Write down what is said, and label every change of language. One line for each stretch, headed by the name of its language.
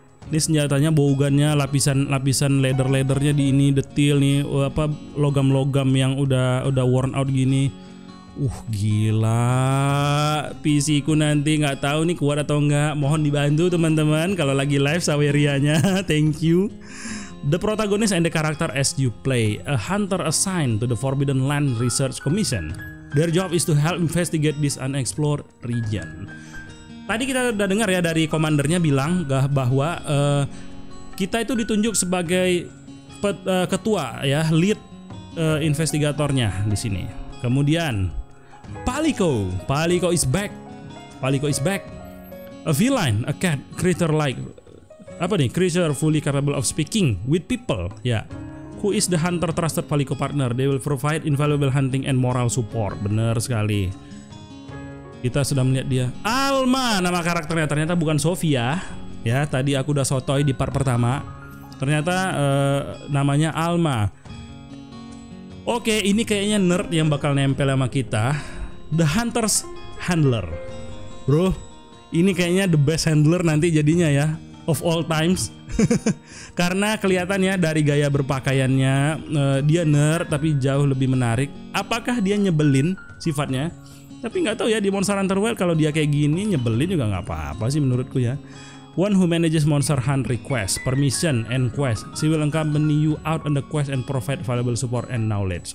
Indonesian: Ini senjatanya, bowgun-nya, lapisan-lapisan leather-leathernya di ini detail nih, apa logam-logam yang udah
English: worn out
Indonesian: gini. Gila. PC-ku nanti enggak tahu nih kuat atau enggak. Mohon dibantu teman-teman kalau lagi live Saweria-nya.
English: Thank you. The protagonist and the character as you play a hunter assigned to the Forbidden Land Research Commission. Their job is to help investigate this unexplored region.
Indonesian: Tadi kita udah dengar ya dari komandernya bilang bahwa kita itu ditunjuk sebagai ketua ya, lead investigatornya di sini.
English: Kemudian Palico is back. Palico is back. A feline, a cat, creature like
Indonesian: apa nih?
English: Creature fully capable of speaking with people. Ya. Yeah. Who is the hunter trusted Palico partner? They will provide invaluable hunting and moral support.
Indonesian: Benar sekali. Kita sudah melihat dia. Alma nama karakternya, ternyata bukan Sofia. Ya, tadi aku udah sotoy di part pertama. Ternyata namanya Alma. Oke, ini kayaknya nerd yang bakal nempel sama kita.
English: The Hunter's Handler. Bro,
Indonesian: ini kayaknya
English: the best handler
Indonesian: nanti jadinya ya,
English: of all times.
Indonesian: Karena kelihatan ya dari gaya berpakaiannya, dia nerd tapi jauh lebih menarik. Apakah dia nyebelin sifatnya? Tapi nggak tahu ya, di Monster Hunter World kalau dia kayak gini nyebelin juga nggak apa-apa sih menurutku ya.
English: One who manages Monster Hunt request, permission, and quest. She will accompany you out on the quest and provide valuable support and knowledge.